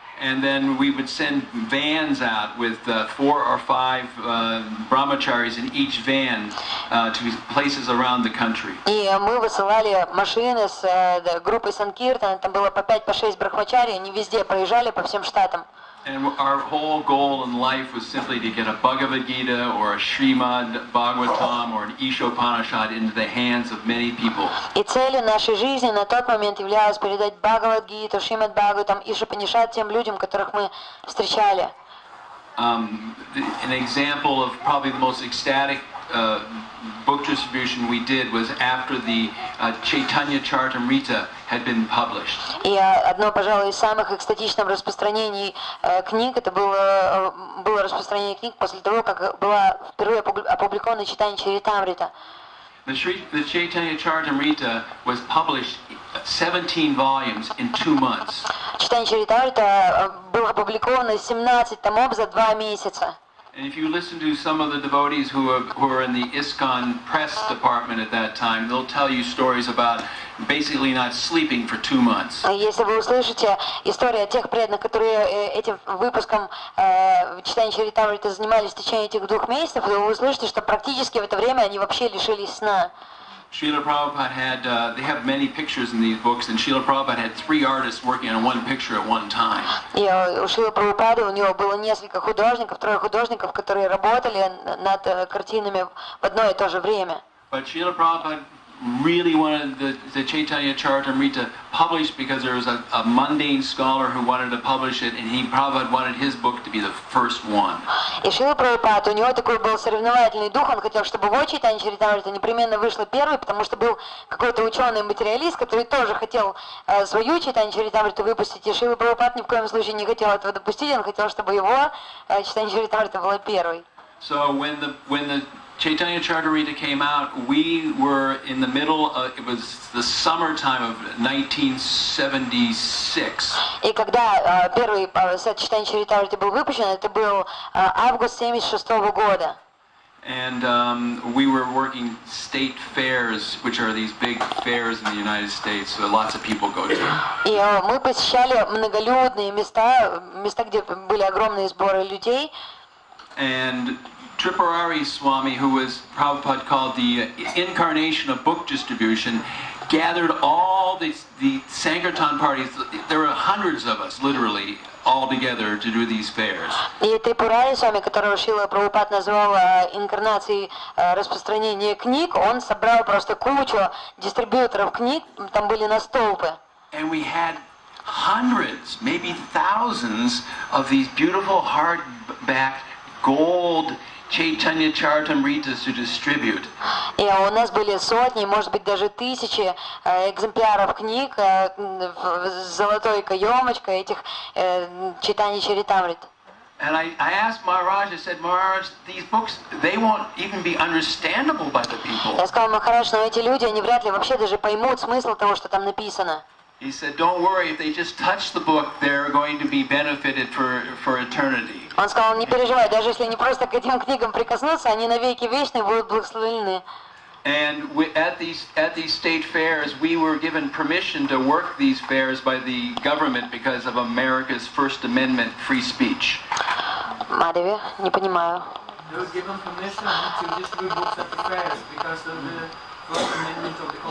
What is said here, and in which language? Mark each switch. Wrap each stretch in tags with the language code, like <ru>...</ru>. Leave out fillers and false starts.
<en>And then we would send vans out with 4 or 5 brahmacharis in each van to places around the country.</en> <ru>И мы высылали машины с группой санкиртан, там было по 5-6 брахмачари, они везде проезжали по всем штатам.</ru> <en>And our whole goal in life was simply to get a Bhagavad Gita or a Srimad Bhagavatam or an Ishopanishad into the hands of many people.</en> <ru>И целью нашей жизни на тот момент являлось передать Бхагавад Гиту, Шримад Бхагаватам, Ишопанишад тем людям, которых мы встречали.</ru> <en>An example of probably the most ecstatic book distribution we did was after the Chaitanya Charitamrita had been published.</en> <ru>И одно, пожалуй, из самых экстатичных распространений книг, это было распространение книг после того, как была впервые опубликована Чайтанья Чаритамрита.</ru> <en>The Chaitanya Charitamrita was published 17 volumes in 2 months.</en> <ru>Читание Чаритамриты было опубликовано 17 томов за 2 месяца.</ru> <en>And if you listen to some of the devotees who were in the ISKCON press department at that time, they'll tell you stories about basically not sleeping for 2 months.</en> <ru>Если вы услышите историю тех преданных, которые этим выпуском читания Чаритамриты занимались в течение этих 2 месяцев, вы услышите, что практически в это время они вообще лишились сна.</ru> <en>Srila Prabhupada had, they have many pictures in these books, and Srila Prabhupada had 3 artists working on 1 picture at one time.</en> <ru>У Шрилы Прабхупады, у него было несколько художников, 3 художников, которые работали над картинами в одно и то же время.</ru> <en>But Srila Prabhupada really wanted the Chaitanya Charitamrita published because there was a mundane scholar who wanted to publish it, and he Prabhupada wanted his book to be the first one.</en> <ru>И Шрила Прабхупада, у него такой был соревновательный дух, он хотел, чтобы его Чайтанья Чаритамрита непременно вышла первой, потому что был какой-то ученый материалист, который тоже хотел свою Чайтанья Чаритамриту выпустить. И Шрила Прабхупада ни в коем случае не хотел этого допустить, он хотел, чтобы его Чайтанья Чаритамрита была первой.</ru> <en>So when the Chaitanya Charitamrita came out, we were in the middle of, it was the summertime of 1976.</en> <ru>И когда первый сет Chaitanya Charitamrita был выпущен, это был август 76 года.</ru> <en>And we were working state fairs, which are these big fairs in the United States, so lots of people go to.</en> <ru>И мы посещали многолюдные места, места, где были огромные сборы людей.</ru> <en>And Tripurari Swami, who was Prabhupada called the incarnation of book distribution, gathered all the Sankirtan parties. There were hundreds of us, literally, all together to do these fairs.</en> <ru>И Трипурари Свами, которого Шрила Прабхупада назвал инкарнацией распространения книг, он собрал просто кучу дистрибьюторов книг, там были на столпы.</ru> <en>And we had hundreds, maybe thousands, of these beautiful hardback gold Chaitanya Charitamrita to distribute.</en> <ru>И у нас были сотни, может быть, даже тысячи экземпляров книг в золотой каемочке этих Chaitanya Charitamrita.</ru> <en>And I asked Maharaj, I said, Maharaj, these books, they won't even be understandable by the people.</en> <ru>Я сказал Махарадж, но эти люди, они вряд ли вообще даже поймут смысл того, что там написано.</ru> <en>He said, "Don't worry. If they just touch the book, they're going to be benefited for eternity."</en> <ru>Он сказал, не переживай, даже если они просто к этим книгам прикоснутся, они навеки вечные будут благословлены.</ru> <en>And we, at these state fairs, we were given permission to work these fairs by the government because of America's First Amendment free speech.</en> <ru>Мадеве, не понимаю.</ru> <en>They were given permission to distribute books at the fairs because of the</en>